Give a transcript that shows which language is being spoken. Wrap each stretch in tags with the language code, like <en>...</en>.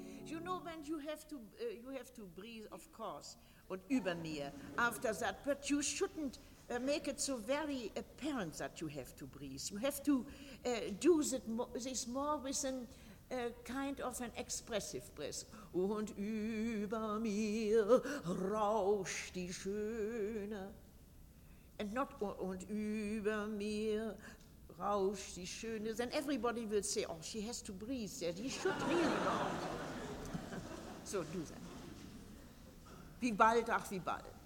<en>You have to breathe, of course,</en> <de>und über mir</de> <en>after that. But you shouldn't make it so very apparent that you have to breathe. You have to do this more with a kind of an expressive breath.</en> <de>Und über mir rauscht die Schöne.</de> <en>And not</en> <de>und über mir rauscht die Schöne.</de> <en>Then everybody will say, oh, she has to breathe there. She should really not. So do that.</en> <de>Wie bald, ach wie bald.</de>